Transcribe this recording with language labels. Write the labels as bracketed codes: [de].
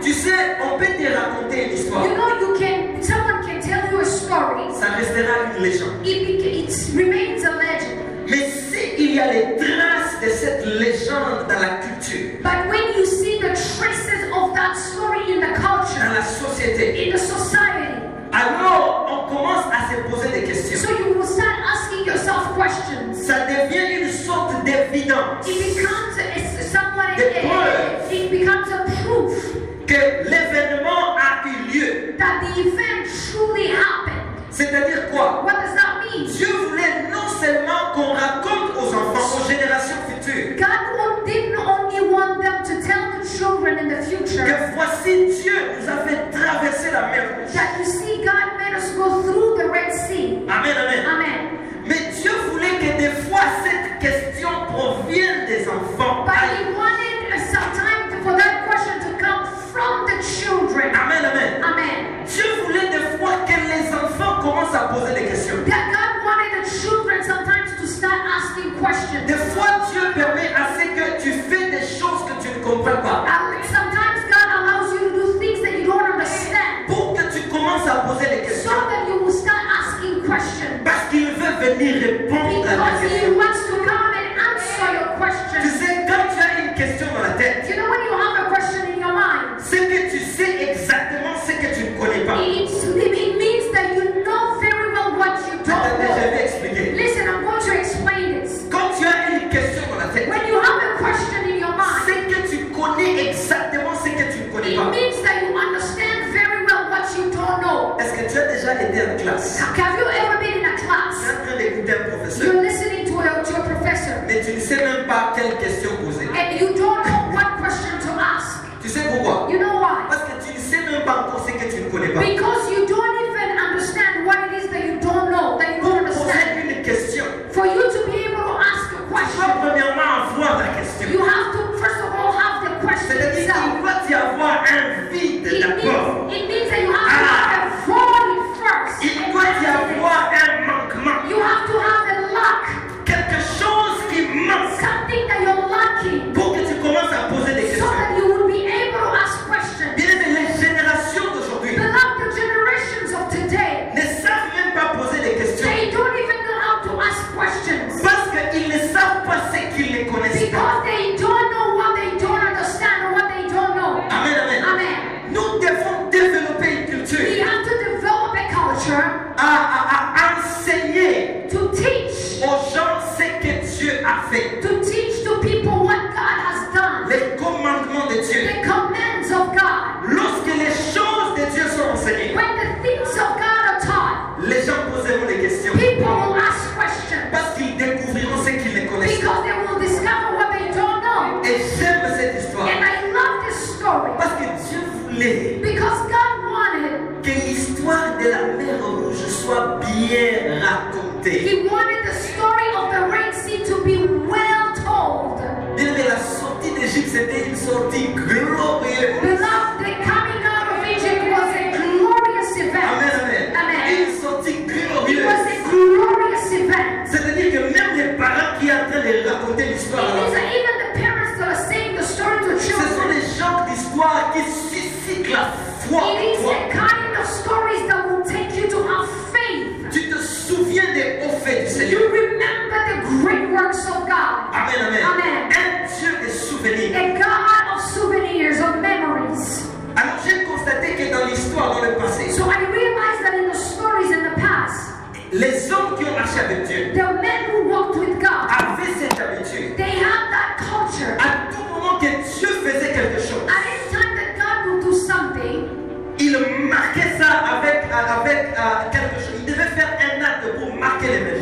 [fr] Tu sais, on peut te raconter une histoire. [en] You know, you can, someone can tell you a story. [fr] Ça restera une légende. [en] It remains a legend. [fr] Mais si il y a les traces de cette légende dans la culture. [en] But when you see the traces of that story in the culture. [fr] Dans la société. [en] In the society. [fr] Alors, on commence à se poser des questions. [en] So you will start asking yourself questions. [fr] Ça devient une sorte d'évidence. [en] It becomes somewhat proof. It becomes a proof. [fr] Que l'événement a eu lieu. [en] That the event truly happened. [fr] C'est-à-dire quoi? [en] What does that mean? [fr] Dieu voulait non seulement qu'on raconte aux enfants, aux générations futures. [en] God didn't only want them to tell the children in the future. [fr] Que voici Dieu nous a fait traverser la mer rouge. [en] That you see, God made us go through the Red Sea. [fr] Amen, amen. [en] Amen. [fr] Mais Dieu voulait que des fois cette question provienne des enfants. [en] But He wanted some time for that question to come from the children. [fr] Amen, amen. [en] Amen. [fr] Dieu voulait des fois que les enfants commencent à poser des questions. [en] That God wanted the children sometimes to start asking questions. [fr] Des fois Dieu permet à ce que tu fais des choses que tu ne comprends pas. [en] Sometimes God allows you to do things that you don't understand. [fr] Pour que tu commences à poser des questions. [en] So that you will start asking questions. [fr] Parce qu'il veut venir répondre [en] because [fr] à la question. [en] Because He wants to come and answer your question. [fr] Tu sais, quand tu as une question dans la tête. [en] You know when you have a question in your mind. [fr] C'est que tu sais exactement ce que tu ne connais pas. [en] It means that you know very well what you don't know. [fr] Attends, je vais expliquer. [en] Listen, I'm going to explain this. [fr] Quand tu as une question dans la tête. [en] When you have a question in your mind. [fr] C'est que tu connais exactement ce que tu ne connais pas. [en] It means that you understand very well what you don't know. [fr] Est-ce que tu as déjà été en classe? [en] Have you ever been in a class? [fr] Tu es en train d'écouter un professeur. [en] You're listening to your professor. [fr] Mais tu ne sais même pas quelle question poser. [en] And you don't know what question to ask. [fr] Tu sais pourquoi? [en] You know why? [fr] Parce que tu ne sais même pas encore ce que tu ne connais pas. [en] Because you don't even understand what it is that you don't know, that you don't understand. [fr] Pour poser une question. [en] For you to be able to ask a question. [fr] Tu dois premièrement avoir la question. [en] You have to first of all have the question. [fr] C'est-à-dire [en] itself. [fr] Qu'il faut y avoir un vide d'abord. [en] It means that you have to have a void first. [fr] Il faut y avoir un manquement. [en] You have to have a lack. [fr] Quelque chose qui manque. [en] Something that you're lacking. [fr] Pour que tu commences à poser des questions. [en] So that you will be able to ask questions. [fr] Bien-aimés, les générations d'aujourd'hui. [en] Beloved generations of today. [fr] Ne savent même pas poser des questions. [en] They don't even know how to ask questions. [fr] Parce qu'ils ne savent pas ce qu'ils ne connaissent [en] because [fr] pas. [en] Because they don't know what they don't understand or what they don't know. [fr] Amen, amen. [en] Amen. [fr] Nous devons développer une culture. [en] We have to develop a culture. [fr] À enseigner. [en] To teach. [fr] Aux gens ce que Dieu a fait. [en] To teach to people what God has done. [fr] Les commandements de Dieu. [en] The commands of God. [fr] Lorsque les choses de Dieu sont enseignées. [en] When the things of God are taught. [fr] Les gens poseront des questions. [en] People will ask questions. [fr] Parce qu'ils découvriront ce qu'ils ne connaissent. [en] Because they will discover what they don't know. [fr] Et j'aime cette histoire. [en] And I love this story. [fr] Parce que Dieu voulait. [en] Because God wanted. [fr] Que l'histoire de la mer rouge soit bien racontée. [en] He wanted the story of the Red Sea to be well told. [fr] Bien-aimé, la sortie d'Égypte c'était une sortie glorieuse. [en] Beloved, the coming out of Egypt was a glorious event. [fr] Amen, amen. [en] Amen. [fr] Une sortie glorieuse. [en] It was a glorious event. [fr] C'est-à-dire que même les parents qui sont en train de raconter l'histoire. [en] It means that even the parents that are saying the story to children. [fr] Ce sont des gens d'histoire qui suscitent la foi. [en] It is the kind of stories that will take you to have faith. [fr] Tu te souviens des hauts faits du Seigneur. [en] You remember the great works of God. [fr] Amen, amen. [en] Amen. [fr] Un Dieu des souvenirs. [en] A God of souvenirs, of memories. [fr] Alors j'ai constaté que dans l'histoire, dans le passé. [en] So I realized that in the stories in the past. [fr] Les hommes qui ont marché avec Dieu. [en] The men who walked with God. [fr] Avaient cette habitude. [en] They had that culture. [fr] À tout moment que Dieu faisait quelque chose. [en] At any time that God would do something. [fr] Il marquait ça avec quelque chose. Il devait faire un acte pour marquer l'événement.